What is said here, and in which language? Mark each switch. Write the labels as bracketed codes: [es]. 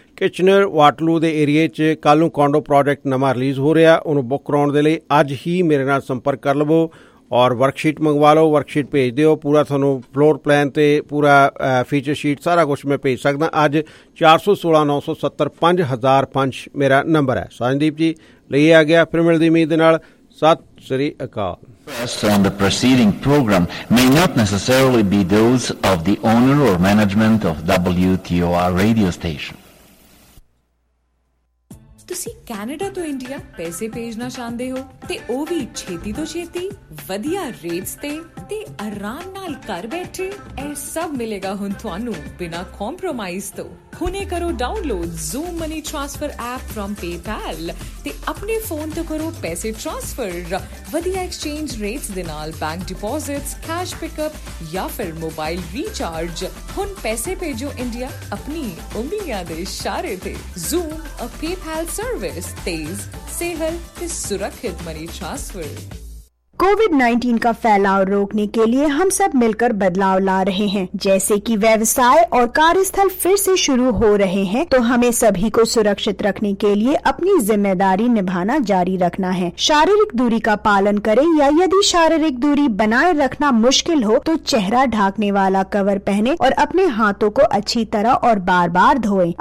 [pa] Kitchener ਵਾਟਲੂ ਦੇ ਏਰੀਏ 'ਚ ਕੱਲ੍ਹ ਨੂੰ ਕੌਂਡੋ ਪ੍ਰੋਜੈਕਟ ਨਵਾਂ ਰਿਲੀਜ਼ ਹੋ ਰਿਹਾ, ਉਹਨੂੰ ਬੁੱਕ ਕਰਾਉਣ ਦੇ ਲਈ ਅੱਜ ਹੀ ਮੇਰੇ ਨਾਲ ਸੰਪਰਕ ਕਰ ਲਵੋ, ਔਰ ਵਰਕਸ਼ੀਟ ਮੰਗਵਾ ਲਓ, ਵਰਕਸ਼ੀਟ ਭੇਜ ਦਿਓ, ਪੂਰਾ ਤੁਹਾਨੂੰ ਫਲੋਰ ਪਲਾਨ ਅਤੇ ਪੂਰਾ ਫੀਚਰ ਸ਼ੀਟ ਸਾਰਾ ਕੁਛ ਮੈਂ ਭੇਜ ਸਕਦਾ ਅੱਜ. 416-970-5005 ਮੇਰਾ ਨੰਬਰ ਹੈ. ਸਾਜਨਦੀਪ ਜੀ ਲਈ ਆ ਗਿਆ, ਫਿਰ ਮਿਲਦੀ ਉਮੀਦ ਨਾਲ. ਸਤਿ ਸ੍ਰੀ ਅਕਾਲ. [en] Guests on the preceding program may not necessarily be those of the owner or management of WTOR radio station. [pa] ਤੁਸੀਂ ਕੈਨੇਡਾ ਤੋਂ ਇੰਡੀਆ ਪੈਸੇ ਭੇਜਣਾ ਚਾਹੁੰਦੇ ਹੋ, ਤੇ ਉਹ ਵੀ ਛੇਤੀ ਤੋਂ ਛੇਤੀ ਵਧੀਆ ਰੇਟਸ ਤੇ ਆਰਾਮ ਨਾਲ ਘਰ ਬੈਠੇ? ਇਹ ਸਭ ਮਿਲੇਗਾ ਹੁਣ ਤੁਹਾਨੂੰ ਬਿਨਾਂ ਕੰਪਰੋਮਾਈਜ਼ ਤੋਂ. ਹੁਣੇ ਕਰੋ download zoom money transfer app from PayPal, ਤੇ ਆਪਣੇ ਫੋਨ ਤੋਂ ਕਰੋ ਪੈਸੇ ਟ੍ਰਾਂਸਫਰ ਵਧੀਆ ਐਕਸਚੇਂਜ ਰੇਟਸ ਦੇ ਨਾਲ, ਬੈਂਕ ਡਿਪੋਜ਼ਿਟਸ, ਕੈਸ਼ ਪਿਕਅਪ ਜਾਂ ਫਿਰ ਮੋਬਾਈਲ ਰੀਚਾਰਜ. ਹੁਣ ਪੈਸੇ ਭੇਜੋ ਇੰਡੀਆ ਆਪਣੀ ਉਂਗਲੀਆਂ ਦੇ ਇਸ਼ਾਰੇ ਤੇ. ਜ਼ੂਮ, ਅ ਪੇਪੈਲ ਸਰਵਿਸ, ਤੇਜ਼, ਸਿਹਲ ਤੇ ਸੁਰੱਖਿਅਤ ਮਨੀ ਟ੍ਰਾਂਸਫਰ. [hi] COVID-19 का फैलाव रोकने के लिए हम सब मिलकर बदलाव ला रहे हैं. जैसे कि व्यवसाय और कार्यस्थल फिर से शुरू हो रहे हैं, तो हमें सभी को सुरक्षित रखने के लिए अपनी जिम्मेदारी निभाना जारी रखना है. शारीरिक दूरी का पालन करें, या यदि शारीरिक दूरी बनाए रखना मुश्किल हो तो चेहरा ढांकने वाला कवर पहने और अपने हाथों को अच्छी तरह और बार बार धोएं.